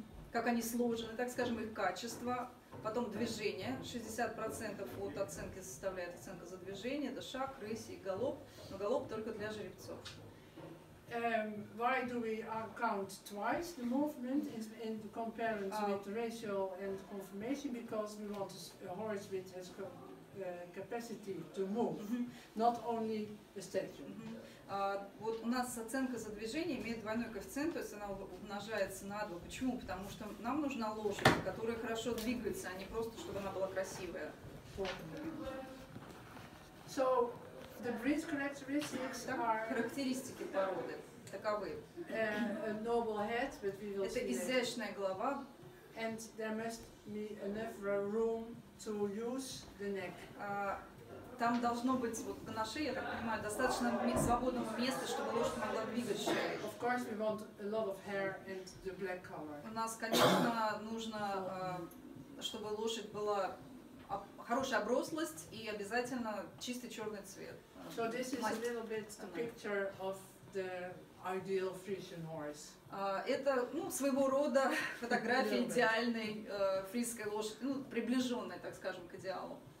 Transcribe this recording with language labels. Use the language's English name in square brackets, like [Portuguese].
[Russian] как они сложены, так скажем, их качество, потом движение, 60% от оценки составляет оценка за движение, это шаг, рысь и галоп, но галоп только для жеребцов. [English] Why do we count twice the movement in comparison with ratio and conformation? Because we want a horse which has capacity to move, not only a statue. [Russian] Вот у нас оценка за движение имеет двойной коэффициент, то есть она умножается на 2. Почему? Потому что нам нужна лошадь, которая хорошо двигается, а не просто, чтобы она была красивая. [English] So, the breed characteristics are... [Russian] Характеристики породы таковы. [English] Noble head, but we will [Russian] Это изящная голова. [English] And there must be enough room to use the neck. [Russian] Там должно быть вот на шее, я так понимаю, достаточно свободного места, чтобы лошадь могла двигать шею. [English] Of course, we want a lot of hair and the black color. [Russian] У нас, конечно, нужно, чтобы лошадь была хорошая оброслость и обязательно чистый черный цвет. [English] So this is a little bit the picture of the ideal Friesian horse. [Russian] Это, ну, своего рода фотография идеальной фрисской лошади, ну, приближенной, так скажем, к идеалу.